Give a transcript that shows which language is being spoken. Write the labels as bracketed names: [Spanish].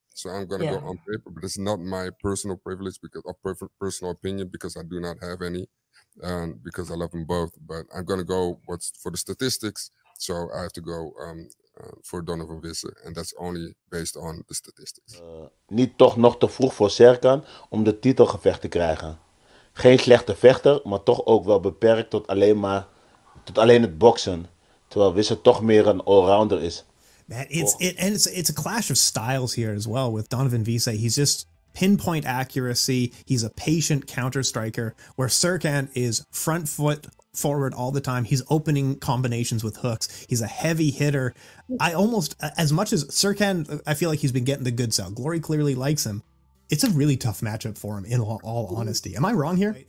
[English] So I'm gonna go on paper, but it's not my personal privilege because of personal opinion because I do not have any. And because I love them both, but I'm gonna go what's for the statistics, so I have to go for Donovan Wisse, and that's only based on the statistics. [Dutch] Niet toch nog te vroeg voor Serkan om de titelgevecht te krijgen. Geen slechte vechter, maar toch ook wel beperkt tot alleen het boksen, terwijl Wisse toch meer een allrounder is. [English] Man, it's a clash of styles here as well with Donovan Wisse. He's just pinpoint accuracy, he's a patient counter striker, where Serkan is front foot forward all the time, he's opening combinations with hooks, he's a heavy hitter. I almost, as much as Serkan, I feel like he's been getting the good sell, Glory clearly likes him, it's a really tough matchup for him, in all honesty. Am I wrong here?